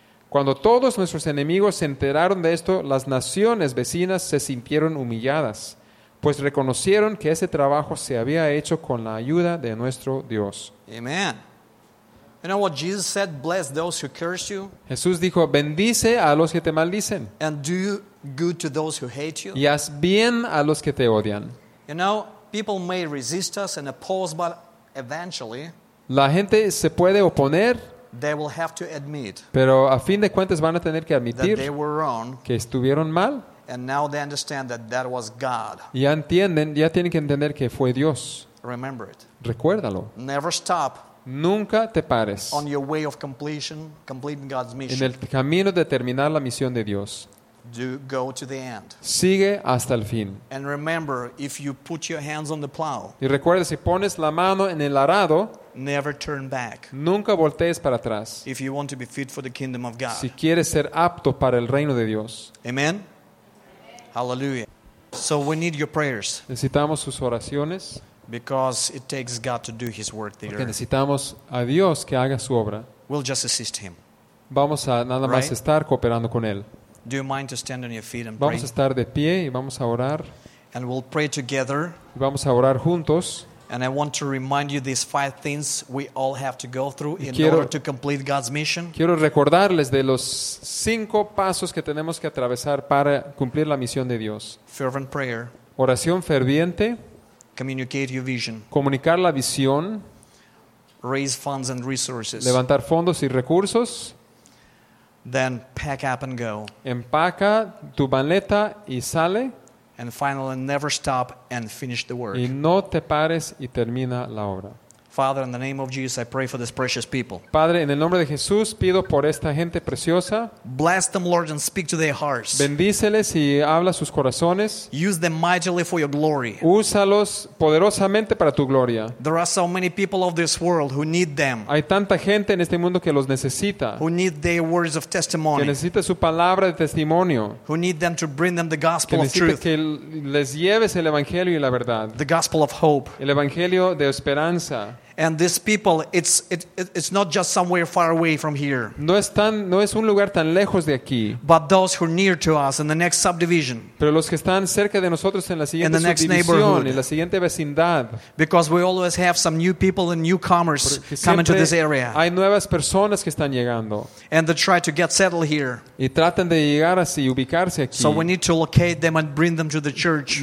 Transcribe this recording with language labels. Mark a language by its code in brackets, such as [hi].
[es] Cuando todos nuestros enemigos se enteraron de esto, las naciones vecinas se sintieron humilladas, pues reconocieron que ese trabajo se había hecho con la ayuda de nuestro Dios. [en] Amen. You know what Jesus said? Bless those who curse you. [es] Jesús dijo, bendice a los que te maldicen. [en] And do good to those who hate you. [es] Y haz bien a los que te odian. [en] You know, people may resist us and oppose, but eventually. [es] La gente se puede oponer. [en] They will have to admit. [es] Pero a fin de cuentas van a tener que admitir. [en] That they were wrong. [es] Que estuvieron mal. [en] And now they understand that that was God. [es] Ya entienden, ya tienen que entender que fue Dios. [en] Remember it. [es] Recuérdalo. [en] Never stop. [es] Nunca te pares. [en] On your way of completion, completing God's mission. [es] En el camino de terminar la misión de Dios. [en] Do go to the end. [es] Sigue hasta el fin. [en] And remember, if you put your hands on the plow. [es] Y recuerda, si pones la mano en el arado. [en] Never turn back. [es] Nunca voltees para atrás. [en] If you want to be fit for the kingdom of God. [es] Si quieres ser apto para el reino de Dios. [en] Amen. Hallelujah. So we need your prayers. [es] Necesitamos sus oraciones. [en] Because it takes God to do his work there. [es] Porque necesitamos a Dios que haga su obra. [en] We'll just assist him. [es] Vamos a nada más estar cooperando con él. [en] Do you mind to stand on your feet and [es] vamos [en] pray? [es] A estar de pie y vamos a orar. [en] And we'll pray together. [es] Y vamos a orar juntos. [en] And I want to remind you these five things we all have to go through in order to complete God's mission. [es] Quiero recordarles de los cinco pasos que tenemos que atravesar para cumplir la misión de Dios. [en] Fervent prayer. [es] Oración ferviente. [en] Communicate your vision. [es] Comunicar la visión. [en] Raise funds and resources. [es] Levantar fondos y recursos. [en] Then pack up and go. [es] Empaca tu maleta y sale. [en] And finally, never stop and finish the work. [es] Y no te pares y termina la obra. [en] Father, in the name of Jesus, I pray for this precious people. [es] Padre, en el nombre de Jesús, pido por esta gente preciosa. [en] Bless them, Lord, and speak to their hearts. [es] Bendíceles y habla sus corazones. [en] Use them mightily for your glory. [es] Úsalos poderosamente para tu gloria. [en] There are so many people of this world who need them. [es] Hay tanta gente en este mundo que los necesita. [en] Who need their words of testimony. [es] Que necesita su palabra de testimonio. [en] Who need them to bring them the gospel of truth. [es] Que les lleves el evangelio y la verdad. [en] The gospel of hope. [es] El evangelio de esperanza. [en] And these people, it's not just somewhere far away from here. [es] No es un lugar tan lejos de aquí. [en] But those who are near to us in the next subdivision. [es] Pero los que están cerca de nosotros en la siguiente [en] in the next [es] subdivisión, en la siguiente vecindad. [en] Because we always have some new people and newcomers coming to this area. [es] Hay nuevas personas que están llegando. [en] And they try to get settled here. [es] Y tratan de llegar así, ubicarse aquí. [en] So we need to locate them and bring them to the church.